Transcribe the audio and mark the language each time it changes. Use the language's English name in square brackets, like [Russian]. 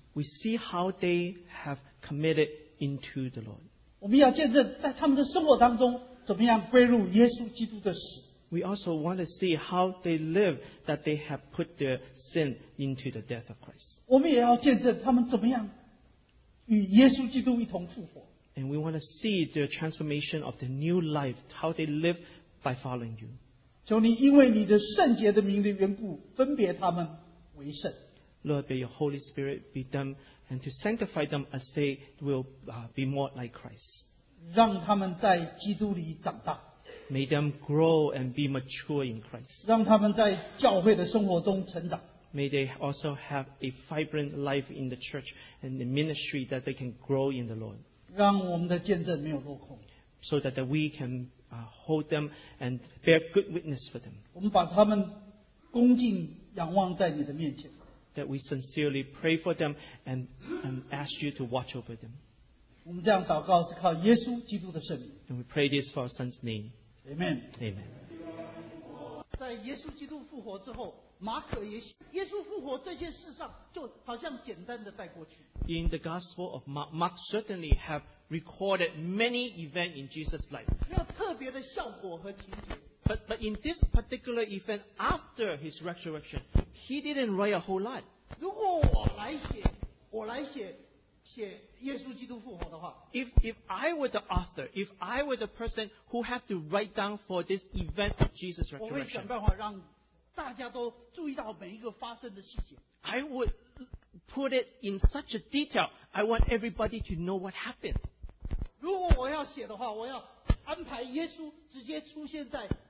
[English] We see how they have committed into the Lord. [Chinese] 我们要见证在他们的生活当中怎么样归入耶稣基督的死。 [English] We also want to see how they live, that they have put their sin into the death of Christ. [Chinese] 我们也要见证他们怎么样 与耶稣基督一同复活。 [English] And we want to see the transformation of the new life, how they live by following you. [Chinese] 求你因为你的圣洁的名的缘故分别他们为圣。 [English] Lord, may your Holy Spirit be done and to sanctify them as they will be more like Christ. [Chinese] 让他们在基督里长大, [English] may them grow and be mature in Christ. [Chinese] 让他们在教会的生活中成长, [English] may they also have a vibrant life in the church and the ministry that they can grow in the Lord. [Chinese] 让我们的见证没有落空, [English] so that we can hold them and bear good witness for them. [Chinese] 我们把他们恭敬仰望在你的面前, [English] that we sincerely pray for them and ask you to watch over them. [Chinese] 我们这样祷告是靠耶稣基督的圣名, [English] and we pray this for our Son's name. Amen. Amen. [Chinese] 在耶稣基督复活之后, 马可也耶稣复活这些事上就好像简单的带过去。 [English] In the Gospel of Mark, Mark certainly have recorded many events in Jesus' life. [Chinese] 没有特别的效果和情节。 [English] But in this particular event, after his resurrection, he didn't write a whole lot. [Chinese] 如果我来写耶稣基督复活的话, [English] if I were the author, if I were the person who had to write down for this event of Jesus' resurrection, I would put it in such a detail, I want everybody to know what happened. [Chinese] 如果我要写的话, 我要安排耶稣直接出现在